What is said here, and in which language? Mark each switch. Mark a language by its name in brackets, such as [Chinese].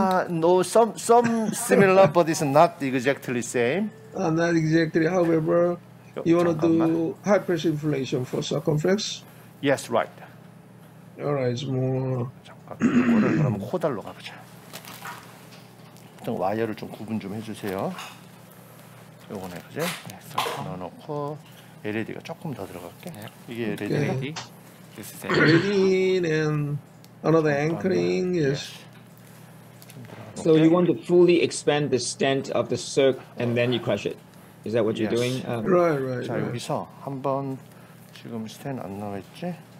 [English] No, some similar, but it's not exactly the same. Not exactly. However, you want to do high pressure inflation for circumflex? Yes, right. All right, it's more. [Korean] 이거를 그럼 코달로 가보자. 좀 와이어를 좀 구분 좀 해주세요. 요거네 그제. 네, 넣어놓고 LED가 조금 더 들어갈게. 네. 이게 LED. [English] Okay. LED and another anchoring is. So you want to fully expand the stent of the circ and then you crush it. Is that what you're doing? Right. [Korean] 자 여기서 한번 지금 스텐 안 나와있지?